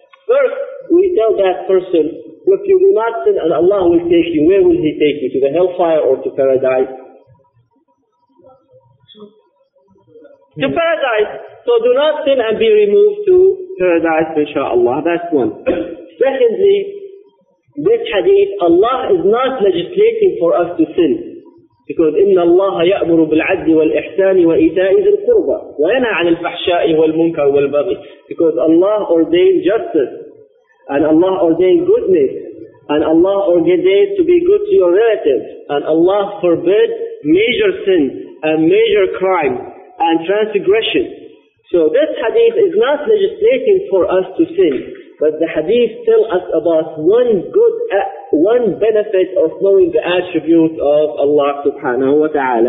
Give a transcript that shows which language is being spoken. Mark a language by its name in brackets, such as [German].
[English] First, we tell that person, if you do not sin and Allah will take you, where will He take you? To the hellfire or to paradise? To paradise. So do not sin and be removed to paradise, inshaAllah. That's one. Secondly, this hadith, Allah is not legislating for us to sin. [Arabic] Because إن الله يأمر بالعدل والإحسان وإيتاء ذي القربى وينهى عن الفحشاء والمنكر والبغي. [English] Because Allah ordained justice, and Allah ordained goodness, and Allah ordained to be good to your relatives, and Allah forbid major sin and major crime and transgression. So this hadith is not legislating for us to sin, but the hadith tells us about one benefit of knowing the attributes of Allah subhanahu wa ta'ala.